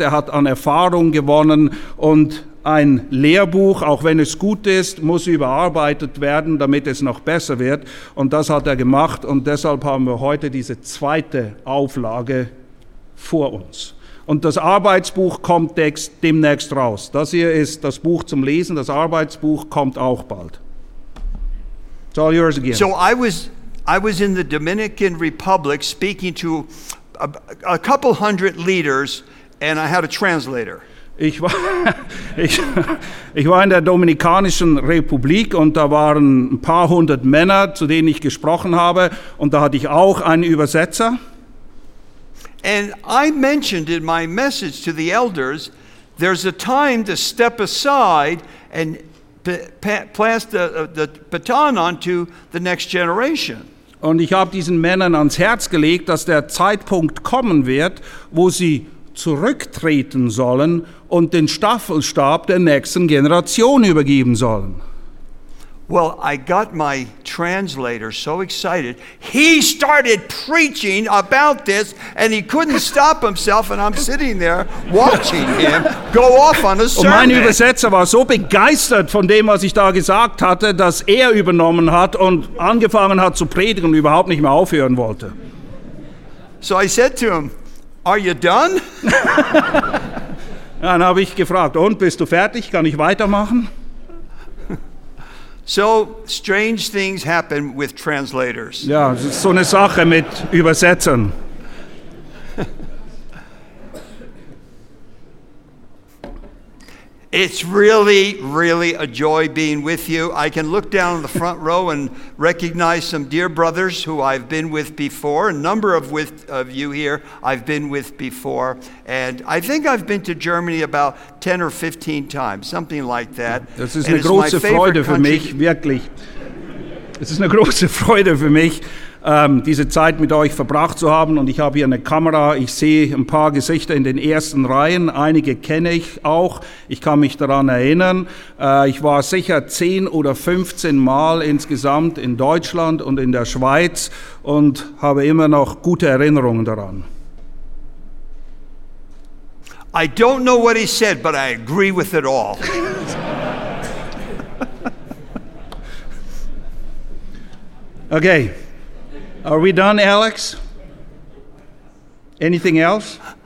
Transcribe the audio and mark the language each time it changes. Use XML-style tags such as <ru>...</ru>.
<de>Er hat an Erfahrung gewonnen und ein Lehrbuch, auch wenn es gut ist, muss überarbeitet werden, damit es noch besser wird. Und das hat er gemacht und deshalb haben wir heute diese zweite Auflage vor uns. Und das Arbeitsbuch kommt demnächst raus. Das hier ist das Buch zum Lesen, das Arbeitsbuch kommt auch bald.</de> <en>It's all yours again. So I was in the Dominican Republic speaking to a couple hundred leaders and I had a translator.</en> <de>Ich war in der Dominikanischen Republik und da waren ein paar hundert Männer, zu denen ich gesprochen habe und da hatte ich auch einen Übersetzer.</de> <en>And I mentioned in my message to the elders, there's a time to step aside and pass the baton on to the next generation.</en> <de>Und ich habe diesen Männern ans Herz gelegt, dass der Zeitpunkt kommen wird, wo sie zurücktreten sollen und den Staffelstab der nächsten Generation übergeben sollen.</de> <en>Well, I got my translator so excited. He started preaching about this and he couldn't stop himself and I'm sitting there watching him go off on a sermon.</en> <de>Und mein Übersetzer war so begeistert von dem, was ich da gesagt hatte, dass er übernommen hat und angefangen hat zu predigen und überhaupt nicht mehr aufhören wollte.</de> <en>So I said to him, are you done?</en> <de>Dann habe ich gefragt, und bist du fertig? Kann ich weitermachen?</de> <en>So strange things happen with translators.</en> <de>Ja, so eine Sache mit Übersetzern.</de> <en>It's really, really a joy being with you. I can look down the front row and recognize some dear brothers who I've been with before. A number of you here I've been with before. And I think I've been to Germany about 10 or 15 times, something like that.</en> <de>Das ist eine große Freude für mich, wirklich. Es ist eine große Freude für mich, diese Zeit mit euch verbracht zu haben. Und ich habe hier eine Kamera. Ich sehe ein paar Gesichter in den ersten Reihen. Einige kenne ich auch. Ich kann mich daran erinnern. Ich war sicher 10 oder 15 Mal insgesamt in Deutschland und in der Schweiz und habe immer noch gute Erinnerungen daran.</de> <en>I don't know what he said, but I agree with it all. Okay. Are we done, Alex? Anything else?</en>